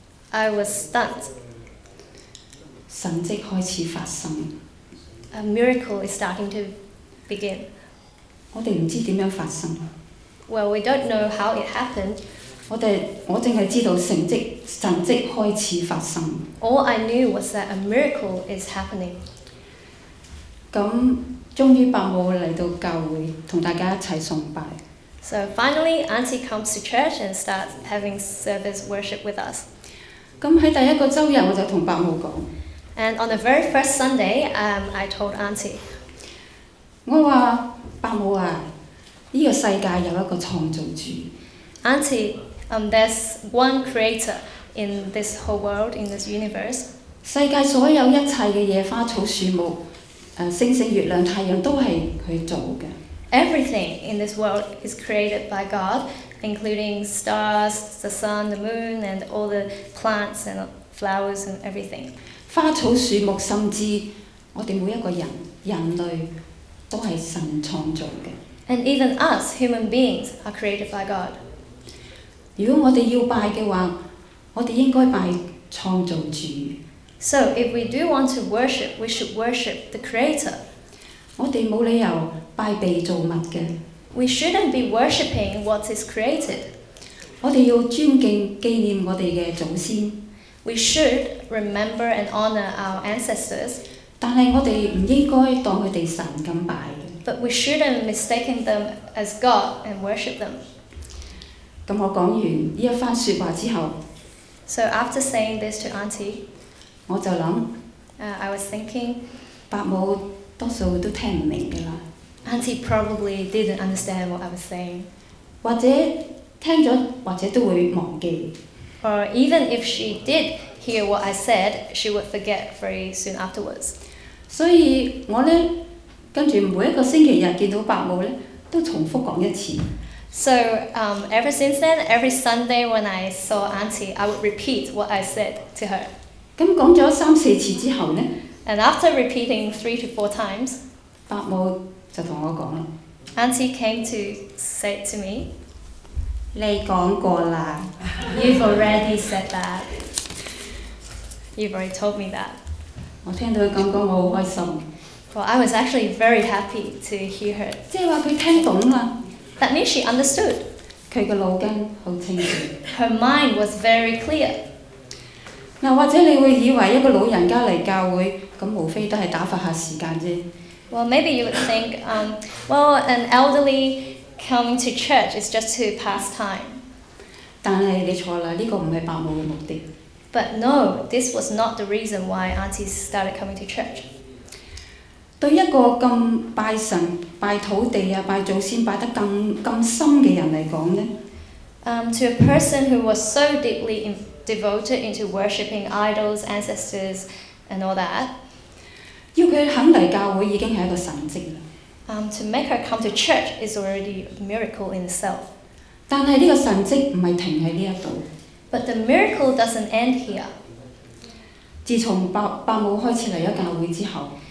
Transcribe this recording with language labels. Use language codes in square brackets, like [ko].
[en] I was stunned. [zh] 神蹟開始發生。 [en] A miracle is starting to begin. [zh] 我哋唔知點樣發生。 [en] Well, we don't know how it happened. [zh] 我淨係知道神蹟開始發生。 [en] All I knew was that a miracle is happening. [zh] 咁終於伯母嚟到教會，同大家一齊崇拜。 [en] So finally, Auntie comes to church and starts having service worship with us. [zh] 咁喺第一個週日，我就同伯母講。 [en] And on the very first Sunday, I told Auntie. [zh] 我話。伯母啊，呢個世界有一個創造主。 [en] Auntie, there's one creator in this whole world, in this universe. [zh] 世界所有一切嘅嘢，花草樹木、星星、月亮、太陽，都係佢做嘅。 [en] Everything in this world is created by God, including stars, the sun, the moon, and all the plants and flowers and everything. [zh] 花草樹木，甚至我哋每一個人類。都是神創造的。 [en] And even us, human beings, are created by God. [zh] 如果我們要拜的話，我們應該拜創造主。 [en] So if we do want to worship, we should worship the Creator. [zh] 我們沒理由拜被造物的。 [en] We shouldn't be worshipping what is created. [zh] 我們要尊敬紀念我們的祖先。 [en] We should remember and honor our ancestors. [zh] 但係我哋唔應該當佢哋神咁拜。 [en] But we shouldn't mistake them as God and worship them. [zh] 咁我講完呢一番説話之後 [en] ，So after saying this to Auntie， [zh] 我就諗 [en] ，I was thinking， [zh] 伯母多數都聽唔明㗎啦。 [en] Auntie probably didn't understand what I was saying， [zh] 或者聽咗或者都會忘記。 [en] Or even if she did hear what I said， she would forget very soon afterwards。 [zh] 所以我咧跟住每一個星期日見到伯母咧，都重複講一次。 [en] So ever since then, every Sunday when I saw Auntie, I would repeat what I said to her. [zh] 咁講咗三四次之後咧 [en] ，And after repeating 3 to 4 times， [zh] 伯母就同我講啦。 [en] Auntie came to say to me， [zh] 你講過啦。 [en] You've already said that. You've already told me that. [zh] 我聽到佢咁講，我好開心。 [en] Well, I was actually very happy to hear her. [zh] 即係話佢聽懂啦。 [en] That means she understood. [zh] 佢個腦筋好清楚。 [en] Her mind was very clear. [zh] 嗱，或者你會以為一個老人家嚟教會，咁無非都係打發下時間啫。 [en] Well, maybe you would think, an elderly coming to church is just to pass time. [zh] 但係你錯啦，呢個唔係伯母嘅目的。 [en] But no, this was not the reason why aunties started coming to church. [zh] 對一個咁拜神、拜土地啊、拜祖先拜得咁深嘅人嚟講咧 [en] ，to a person who was so deeply devoted into worshipping idols, ancestors, and all that， [zh] 要佢肯嚟教會已經係一個神蹟啦。 [en] To make her come to church is already a miracle in itself。 [zh] 但係呢個神蹟唔係停喺呢一度。 [en] But the miracle doesn't end here。 [zh] 自從伯母開始嚟咗教會之後。